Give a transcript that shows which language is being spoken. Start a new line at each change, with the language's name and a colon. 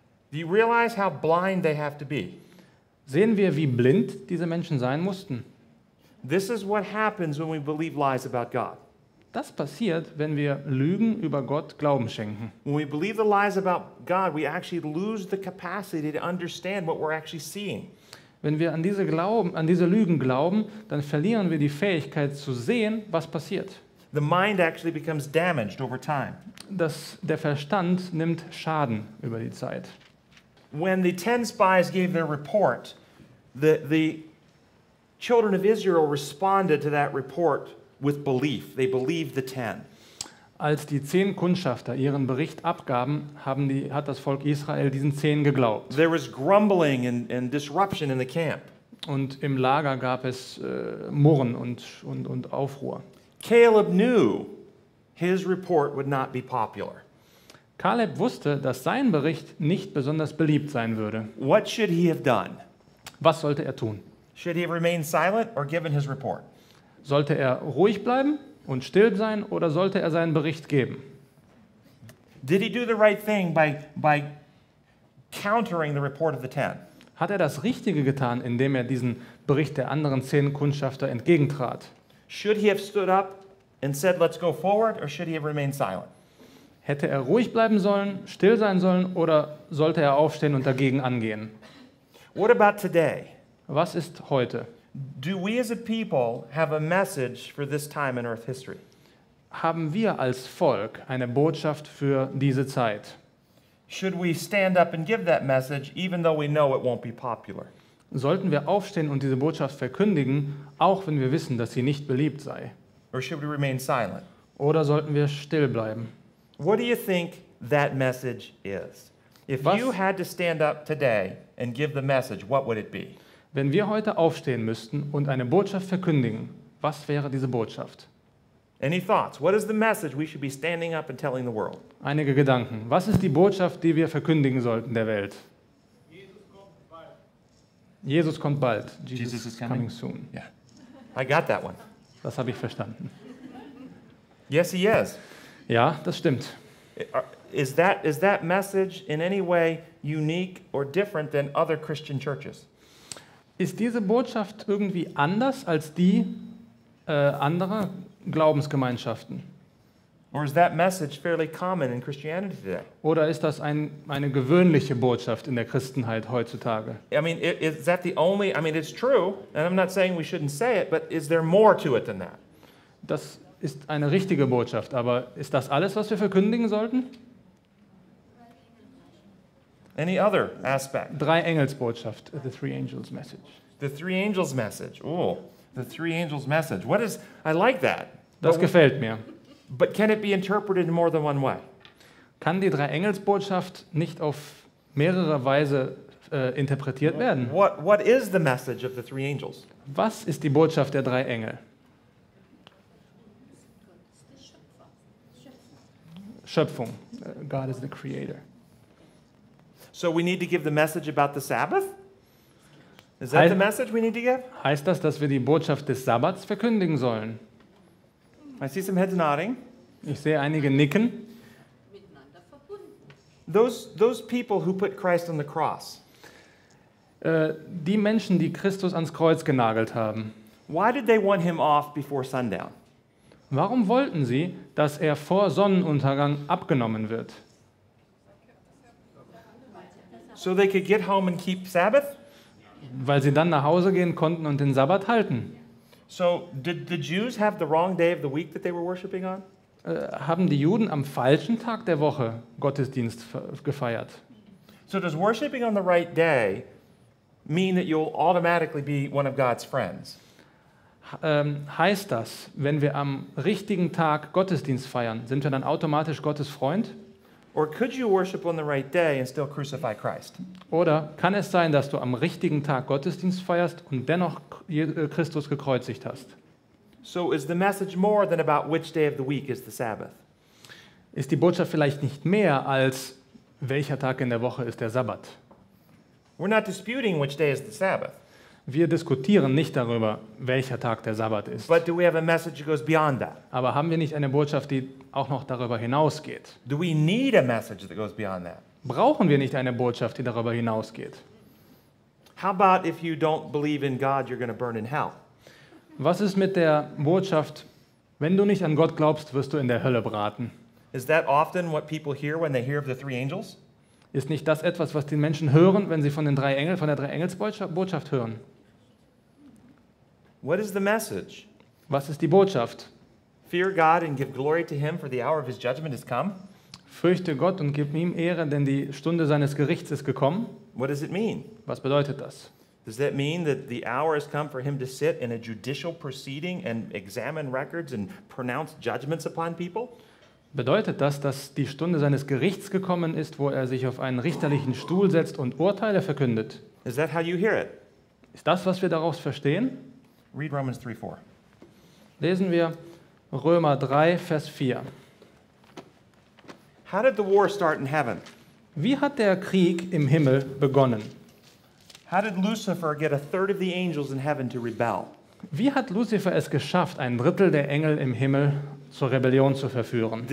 English: Do you realize how blind they have to be?
German: Sehen wir, wie blind diese Menschen sein mussten?
English: This is what happens when we believe lies about God.
German: Das passiert, wenn wir Lügen über Gott Glauben schenken.
English: When we believe the lies about God, we actually lose the capacity to understand what we're actually seeing.
German: Wenn wir an diese Lügen glauben, dann verlieren wir die Fähigkeit zu sehen, was passiert.
English: The mind actually becomes damaged over time.
German: Der Verstand nimmt Schaden über die Zeit.
English: When the 10 spies gave their report, the children of Israel responded to that report with belief. They believed the ten.
German: Als die 10 Kundschafter ihren Bericht abgaben, hat das Volk Israel diesen 10 geglaubt.
English: There was grumbling and disruption in the camp.
German: Und im Lager gab es Murren und Aufruhr.
English: Caleb knew his report would not be popular.
German: Caleb wusste, dass sein Bericht nicht besonders beliebt sein würde.
English: What should he have done?
German: Was sollte er tun?
English: Should he have remained silent or given his report?
German: Sollte er ruhig bleiben und still sein oder sollte er seinen Bericht geben?
English: Did he do the right thing by countering the report of the ten?
German: Hat er das Richtige getan, indem er diesen Bericht der anderen 10 Kundschafter entgegentrat?
English: Should he have stood up and said, let's go forward, or should he have remained silent?
German: Hätte er ruhig bleiben sollen, still sein sollen, oder sollte er aufstehen und dagegen angehen?
English: What about today?
German: Was ist heute?
English: Do we as a people have a message for this time in Earth history?
German: Haben wir als Volk eine Botschaft für diese Zeit?
English: Should we stand up and give that message, even though we know it won't be popular?
German: Sollten wir aufstehen und diese Botschaft verkündigen, auch wenn wir wissen, dass sie nicht beliebt sei?
English: Or should we remain silent?
German: Oder sollten wir still bleiben?
English: What do you think that message is? If you had to stand up today and give the message, what would it be?
German: Wenn wir heute aufstehen müssten und eine Botschaft verkündigen, was wäre diese Botschaft?
English: Any thoughts? What is the message we should be standing up and telling the world?
German: Einige Gedanken. Was ist die Botschaft, die wir verkündigen sollten der Welt? Jesus kommt bald.
English: Jesus is coming soon. Yeah. I got that one.
German: Das habe ich verstanden.
English: Yes, he is.
German: Ja, das stimmt.
English: Is that message in any way unique or different than other Christian churches?
German: Ist diese Botschaft irgendwie anders als die anderer Glaubensgemeinschaften?
English: Or is that message fairly common in Christianity today?
German: Oder ist das eine gewöhnliche Botschaft in der Christenheit heutzutage?
English: I mean, is that the only? I mean, it's true, and I'm not saying we shouldn't say it, but is there more to it than that?
German: Das ist eine richtige Botschaft, aber ist das alles, was wir verkündigen sollten?
English: Any other aspect?
German: Drei Engels Botschaft,
English: the three angels message. The three angels message. Oh, the three angels message. What is? I like that.
German: Das gefällt mir.
English: But can it be interpreted in more than one way?
German: Kann die Drei-Engels-Botschaft nicht auf mehrere Weise interpretiert werden?
English: What is the message of the three angels?
German: Was ist die Botschaft der drei Engel?
English: Schöpfung. God is the creator. So we need to give the message about the Sabbath? Is that the message we need to give?
German: Heißt das, dass wir die Botschaft des Sabbats verkündigen sollen?
English: I see some heads nodding.
German: Ich sehe einige nicken. Miteinander verbunden.
English: Those people who put Christ on the cross.
German: Die Menschen, die Christus ans Kreuz genagelt haben.
English: Why did they want him off before sundown?
German: Warum wollten sie, dass er vor Sonnenuntergang abgenommen wird?
English: So they could get home and keep Sabbath?
German: Weil sie dann nach Hause gehen konnten und den Sabbat halten.
English: So did the Jews have the wrong day of the week that they were worshiping on?
German: Haben die Juden am falschen Tag der Woche Gottesdienst gefeiert?
English: So does worshiping on the right day mean that you'll automatically be one of God's friends?
German: Heißt das, wenn wir am richtigen Tag Gottesdienst feiern, sind wir dann automatisch Gottes Freund?
English: Or could you worship on the right day and still crucify Christ?
German: Oder kann es sein, dass du am richtigen Tag Gottesdienst feierst und dennoch Christus gekreuzigt hast?
English: So is the message more than about which day of the week is the Sabbath?
German: Ist die Botschaft vielleicht nicht mehr als welcher Tag in der Woche ist der Sabbat?
English: We're not disputing which day is the Sabbath.
German: Wir diskutieren nicht darüber, welcher Tag der Sabbat ist.
English: But do we have a message that goes beyond that?
German: Aber haben wir nicht eine Botschaft, die auch noch darüber hinausgeht?
English: Do we need a message that goes beyond that?
German: Brauchen wir nicht eine Botschaft, die darüber hinausgeht?
English: How about if you don't believe in God, you're going to burn in hell?
German: Was ist mit der Botschaft, wenn du nicht an Gott glaubst, wirst du in der Hölle braten?
English: Is that often what people hear when they hear of the three angels?
German: Ist nicht das etwas, was die Menschen hören, wenn sie von den drei Engeln, von der Drei-Engels-Botschaft hören?
English: What is the message?
German: Was ist die Botschaft?
English: Fear God and give glory to him, for the hour of his judgment is come.
German: Fürchte Gott und gib ihm Ehre, denn die Stunde seines Gerichts ist gekommen.
English: What does it mean?
German: Was bedeutet das?
English: Does that mean that the hour has come for him to sit in a judicial proceeding and examine records and pronounce judgments upon people?
German: Bedeutet das, dass die Stunde seines Gerichts gekommen ist, wo er sich auf einen richterlichen Stuhl setzt und Urteile verkündet?
English: Is that how you hear it?
German: Ist das, was wir daraus verstehen?
English: Read Romans 3, 4.
German: Lesen wir Römer 3, Vers 4.
English: How did the war start in heaven?
German: Wie hat der Krieg im Himmel begonnen?
English: How did Lucifer get a third of the angels in heaven to rebel?
German: Wie hat Lucifer es geschafft, ein Drittel der Engel im Himmel zur Rebellion zu verführen?